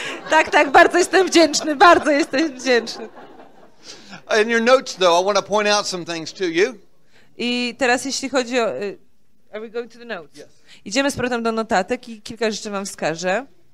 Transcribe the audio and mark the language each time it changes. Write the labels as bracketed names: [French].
[Polish] Tak, tak, bardzo jestem wdzięczny, bardzo jestem wdzięczny. [English] In your notes, though, I want to point out some things to you. [Polish] I teraz, jeśli chodzi o, [English] are we going to the notes? Yes. [Polish] Idziemy z powrotem do notatek i kilka rzeczy wam wskażę.